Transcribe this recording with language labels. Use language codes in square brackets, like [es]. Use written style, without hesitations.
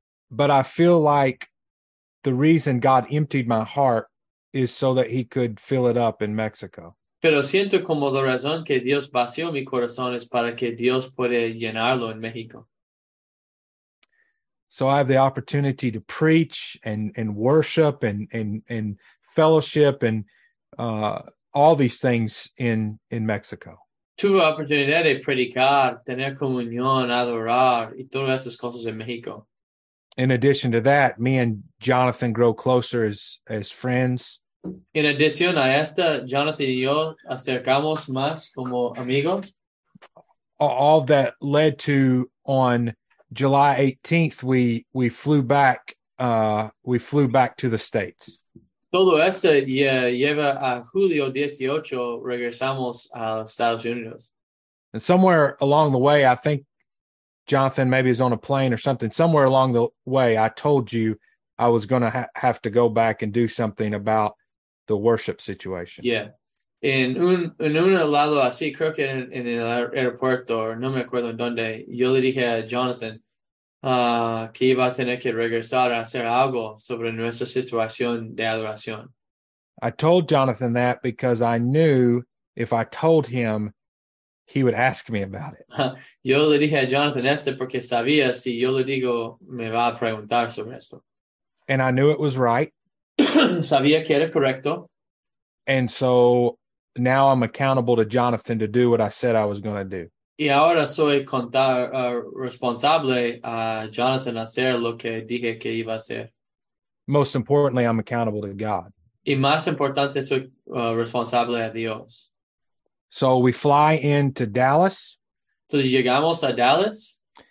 [en] But I feel like the reason God emptied my heart is so that he could fill it up in Mexico. [es] Pero siento como la razón que Dios vació mi corazón es para que Dios pueda llenarlo en México. [en] So I have the opportunity to preach and worship and fellowship and all these things in Mexico. [es] Tuve oportunidad de predicar, tener comunión, adorar y todas esas cosas en México. [en] In addition to that, me and Jonathan grow closer as friends. [es] En adición a esta, Jonathan y yo acercamos más como amigos. [en] All that led to on July 18th, we flew back to the States. [es] Todo esto lleva a julio 18, regresamos a Estados Unidos. [en] And somewhere along the way, I think Jonathan maybe is on a plane or something. Somewhere along the way, I told you I was going to have to go back and do something about the worship situation. Yeah. [es] En un lado así, creo que en el aeropuerto, no me acuerdo en dónde, yo le dije a Jonathan, que iba a tener que regresar a hacer algo sobre nuestra situación de adoración. [en] I told Jonathan that because I knew if I told him, he would ask me about it. [es] Yo le dije a Jonathan esto porque sabía si yo le digo, me va a preguntar sobre esto. [en] And I knew it was right. [es] Sabía que era correcto. [en] And so now I'm accountable to Jonathan to do what I said I was going to do. [es] Y ahora soy responsable a Jonathan hacer lo que dije que iba a hacer. [en] Most importantly, I'm accountable to God. [es] Y más importante, soy responsable a Dios. [en] So we fly into Dallas. [es] Entonces llegamos a Dallas.